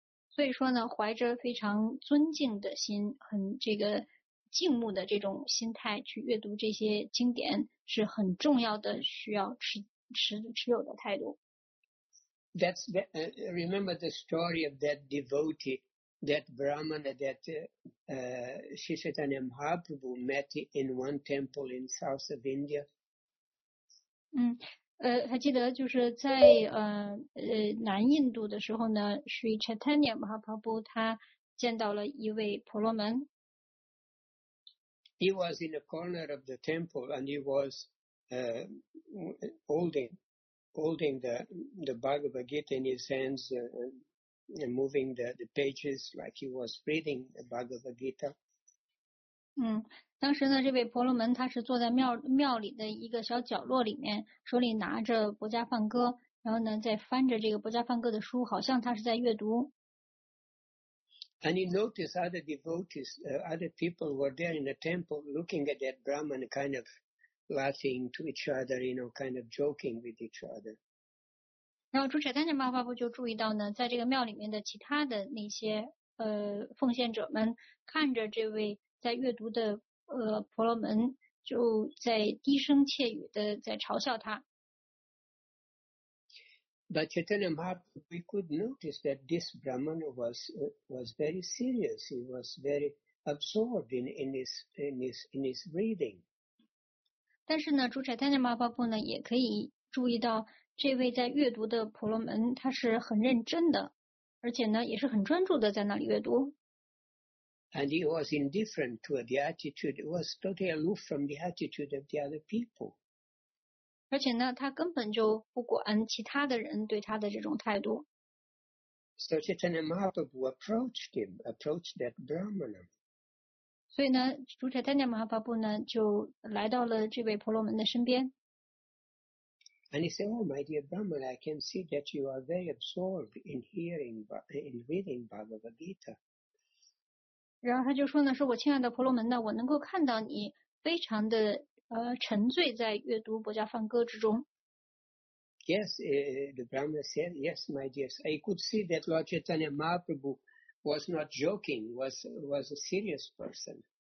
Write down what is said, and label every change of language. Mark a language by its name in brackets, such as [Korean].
[Chinese] 所以说呢，怀着非常尊敬的心，很这个敬慕的这种心态去阅读这些经典，是很重要的，需要持有的态度。 [English] That's remember the story of that devotee, that Brahmana, that Sri Chaitanya Mahaprabhu met in one temple in south of India. [Chinese] 还记得就是在南印度的时候呢， Sri Chaitanya Mahaprabhu 他见到了一位婆罗门。 [English] He was in a corner of the temple and he was holding the Bhagavad Gita in his hands and moving the pages like he was reading the Bhagavad Gita. [Chinese] 当时呢，这位婆罗门他是坐在庙里的一个小角落里面，手里拿着薄伽梵歌，然后呢在翻着这个薄伽梵歌的书，好像他是在阅读。 [English] And he noticed other devotees, other people were there in the temple looking at that Brahman, kind of laughing to each other, you know, kind of joking with each other. [Chinese] 然后朱彩丹的妈妈就注意到呢，在这个庙里面的其他的那些奉献者们看着这位在阅读的婆罗门，就在低声窃语的在嘲笑他。 [English] But Chaitanya Mahaprabhu, we could notice that this Brahmana was very serious. He was very absorbed in his reading. [Chinese] 但是呢，主 Chaitanya Mahaprabhu 呢，也可以注意到这位在阅读的婆罗门，他是很认真的，而且呢，也是很专注的在那里阅读。 [English] And he was indifferent to the attitude. He was totally aloof from the attitude of the other people. [Chinese] 而且呢，他根本就不管其他的人对他的这种态度。 [English] So Chaitanya Mahaprabhu approached him, approached that Brahmana. [Chinese] 所以呢，主 Chaitanya Mahaprabhu 呢就来到了这位婆罗门的身边。 [English] And he said, "Oh, my dear Brahmana, I can see that you are very absorbed in hearing, in reading Bhagavad Gita." [Chinese] 然后他就说呢，说我亲爱的婆罗门呢，我能够看到你非常的。沉醉在阅读薄伽梵歌之中。 [English] Yes, the Brahmana said, "Yes, my dears, I could see that Lord Chaitanya Mahaprabhu was not joking; was a serious person."